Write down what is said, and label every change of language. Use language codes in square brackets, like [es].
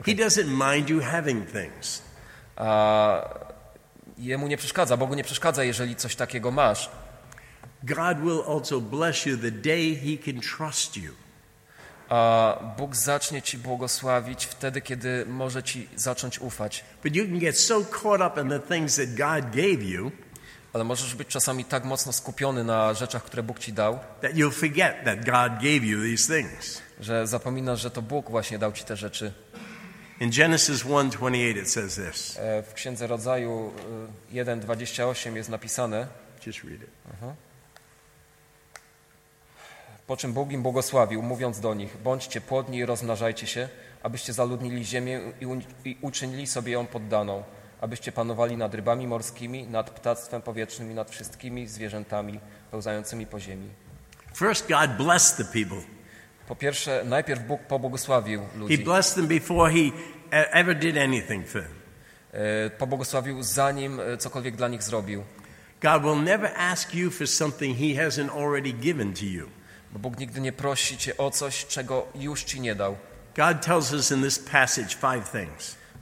[en] Okay. He doesn't mind you having things. [pl] Jemu nie przeszkadza, Bogu nie przeszkadza, jeżeli coś takiego masz. [en] God will also bless you the day he can trust you. [pl] Bóg zacznie ci błogosławić wtedy, kiedy może ci zacząć ufać. [en] But you can get so caught up in the things that God gave you. [pl] Ale możesz być czasami tak mocno skupiony na rzeczach, które Bóg ci dał, [en] that you forget that God gave you these things. [pl] Że zapominasz, że to Bóg właśnie dał ci te rzeczy. [en] In Genesis 1:28 it says this. [pl] W Księdze Rodzaju 1:28 jest napisane. [en] Just read it. [pl] Po czym Bóg im błogosławił, mówiąc do nich: bądźcie płodni i rozmnażajcie się, abyście zaludnili ziemię i uczynili sobie ją poddaną, abyście panowali nad rybami morskimi, nad ptactwem powietrznym i nad wszystkimi zwierzętami pełzającymi po ziemi. [en] First God blessed the people. [pl] Po pierwsze, najpierw Bóg pobłogosławił ludzi. [en] He blessed them before he ever did anything for them. [pl] Pobłogosławił zanim cokolwiek dla nich zrobił. [en] God will never ask you for something he hasn't already given to you. [pl] Bo Bóg nigdy nie prosi cię o coś, czego już ci nie dał. [en] God tells us in this passage five things.